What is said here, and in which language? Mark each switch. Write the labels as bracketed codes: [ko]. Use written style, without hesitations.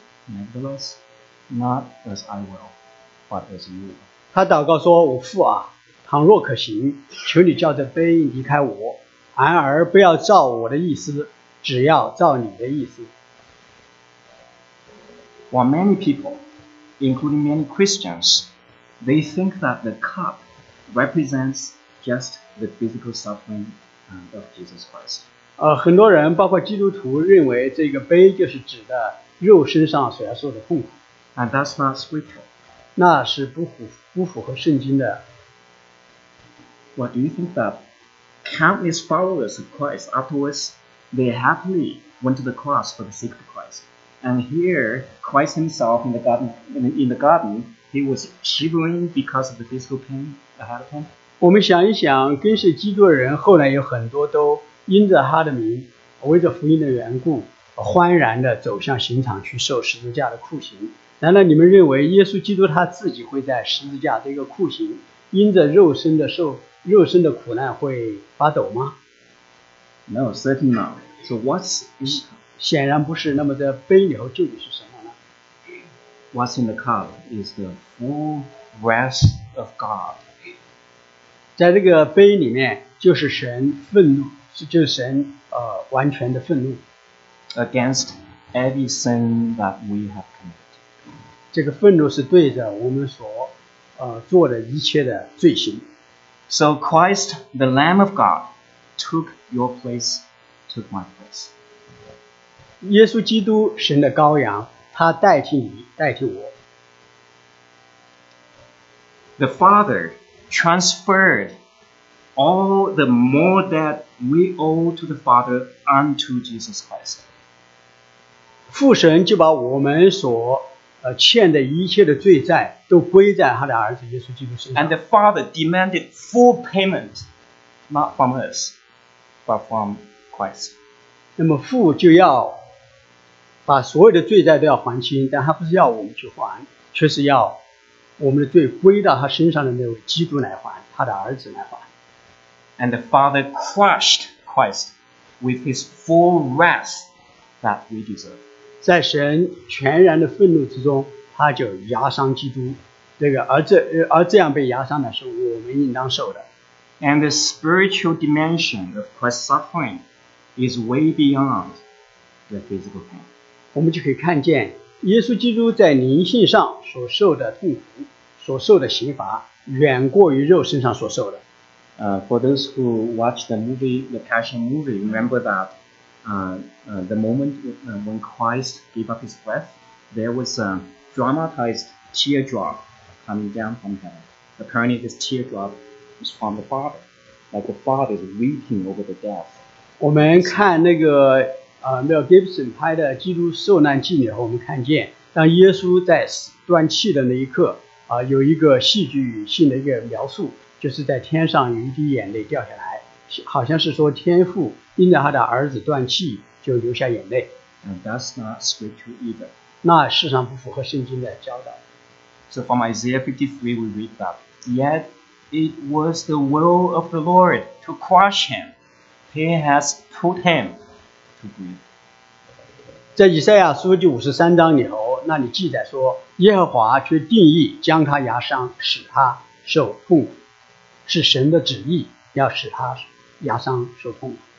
[en] Nevertheless, not as I will, but as you will. [zh] 他祷告说：“我父啊。” 倘若可行，求你叫这杯离开我，然而不要照我的意思，只要照你的意思。 [en] While many people, including many Christians, they think that the cup represents just the physical suffering of Jesus Christ. [zh] 很多人，包括基督徒，认为这个杯就是指的肉身上所要受的痛苦。 [en] And that's not scriptural. [zh] 那是不符合圣经的。 [en] What do you think that countless followers of Christ afterwards, they happily went to the cross for the sake of Christ. And here, Christ himself in the garden, he was shivering because of the physical pain ahead of him. [zh] 我们想一想，跟随基督的人后来有很多都因着他的名，为着福音的缘故，欢然地走向刑场去受十字架的酷刑。难道你们认为耶稣基督他自己会在十字架这个酷刑，因着肉身的受肉身的苦难会发抖吗 [en] ？No, certainly not. So what's [zh] 显然不是。那么在杯里头究竟是什么呢 [en] ？What's in the cup is the full wrath of God. [zh] 在这个杯里面就是神愤怒，就是神完全的愤怒 [en] ，against every sin that we have committed. [zh] 这个愤怒是对着我们所做的一切的罪行。 [en] So Christ, the Lamb of God, took your place, took my place. [zh] 耶稣基督，神的羔羊，他代替你，代替我。 [en] The Father transferred all the more that we owe to the Father unto Jesus Christ. [zh] 父神就把我们所欠的一切的罪债都归在他的儿子耶稣基督身上。 [en] And the Father demanded full payment, not from us. but from Christ. [zh] 那么父就要把所有的罪债都要还清，但他不是要我们去还，却是要我们的罪归到他身上的那位基督来还，他的儿子来还。 [en] And the Father crushed Christ with his full wrath that we deserve. [zh] 在神全然的愤怒之中，他就压伤基督。这个而这样被压伤的是我们应当受的。 [en] And the spiritual dimension of Christ's suffering is way beyond the physical pain. [zh] 我们就可以看见耶稣基督在灵性上所受的痛苦，所受的刑罚，远过于肉身上所受的。 [en] For those who watch the movie, the Passion movie, remember that the moment when Christ gave up his breath, there was a dramatized teardrop coming down from heaven. Apparently, this teardrop was from the Father, like the Father is weeping over the death. [zh] 我们看那个Mel Gibson 拍的《基督受难记》里，我们看见当耶稣在断气的那一刻，有一个戏剧性的一个描述，就是在天上有一滴眼泪掉下来，好像是说天父因着他的儿子断气就流下眼泪。 [en] And that's not scripture either. [zh] 那事实上不符合圣经的教导。 [en] So from Isaiah 53 we read that, Yet it was the will of the Lord to crush him. He has put him to grief. [zh] 在以赛亚书第53章里头，那里记载说，耶和华却定义将他压伤，使他受痛苦。是神的旨意要使他压伤受痛。